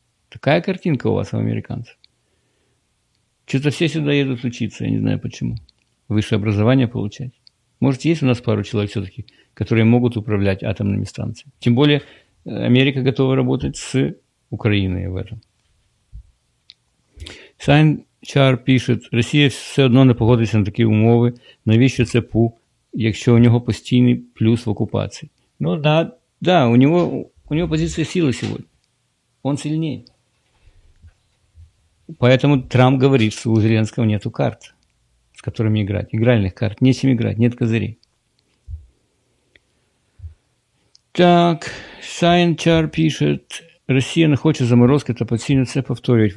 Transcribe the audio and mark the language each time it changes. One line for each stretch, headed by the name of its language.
Russian: Такая картинка у вас, у американцев. Что-то все сюда едут учиться, я не знаю почему. Высшее образование получать. Может, есть у нас пару человек все-таки, которые могут управлять атомными станциями. Тем более, Америка готова работать с Украиной в этом. Сайн Чар пишет,
Ukrainian: Россия все одно не погодиться на такі умови, навіщо ЦПУ, якщо у нього постійний плюс в окупації. Ну да, да, у нього позиція сили сьогодні.
Russian: Он сильнее. Поэтому Трамп говорит, что у Зеленского нету карт, с которыми играть. Игральных карт. Нечем играть, нет козырей. Так, Сайн Чар пишет. Россия не хочет заморозки, это под сильно все повторять.